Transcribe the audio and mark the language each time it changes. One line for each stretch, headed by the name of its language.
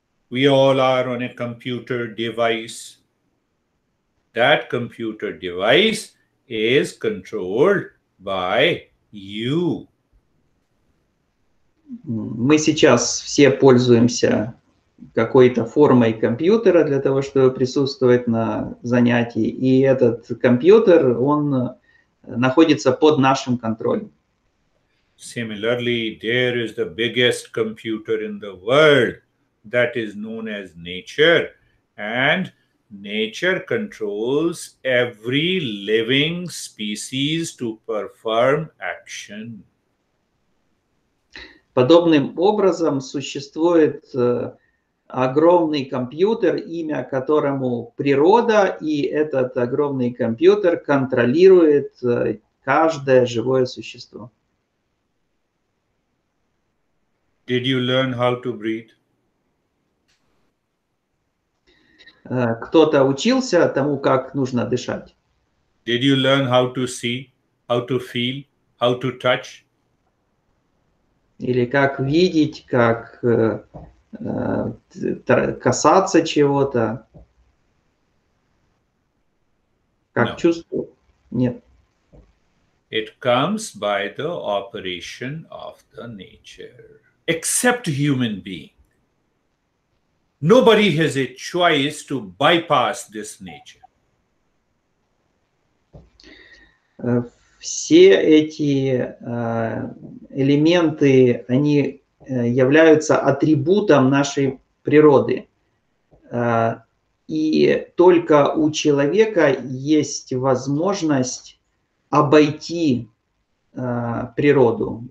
English: We all are on a computer device. That computer device is controlled by you.
Russian: Мы сейчас все пользуемся какой-то формой компьютера для того, чтобы присутствовать на занятии. И этот компьютер, он находится под нашим контролем.
English: Similarly, there is the biggest computer in the world that is known as nature. And nature controls every living species to perform action.
Russian: Подобным образом существует огромный компьютер, имя которому природа, и этот огромный компьютер контролирует каждое живое существо.
English: Did you learn how to breathe?
Russian: Кто-то учился тому, как нужно дышать?
English: Did you learn how to see, how to feel, how to touch?
Russian: Или как видеть, как касаться чего-то, как
English: No.
Russian: чувствовать? Нет.
English: It comes by the operation of the nature, except human being. Nobody has a choice to bypass this nature.
Russian: Все эти элементы, они являются атрибутом нашей природы. И только у человека есть возможность обойти природу.